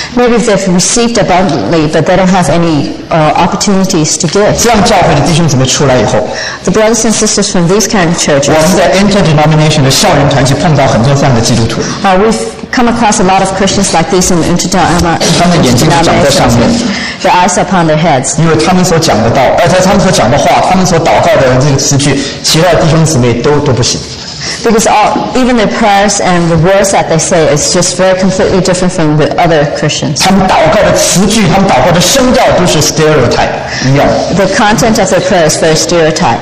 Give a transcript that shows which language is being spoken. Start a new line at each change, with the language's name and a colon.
English: Maybe they've received abundantly, but they don't have any opportunities to give.
Chinese: 这样教会的弟兄姊妹出来以后
English: ，The brothers and sisters from these kind of churches.
Chinese: 我们在 interdenomination 的校园团契碰到很多这样的基督徒。
English: We've come across a lot of Christians like these in the interdenomination.
Chinese: 他们眼睛长在上面
English: ，Their eyes upon their heads.
Chinese: 因为他们所讲的道，他们所讲的话，他们所祷告的这个词句，其他弟兄姊妹都不行。
English: Because even their prayers and the words that they say is just very completely different from the other Christians.
Chinese: 他们祷告的词句，他们祷告的声调都是 stereotype 一样。
English: The content of their prayers is very stereotype.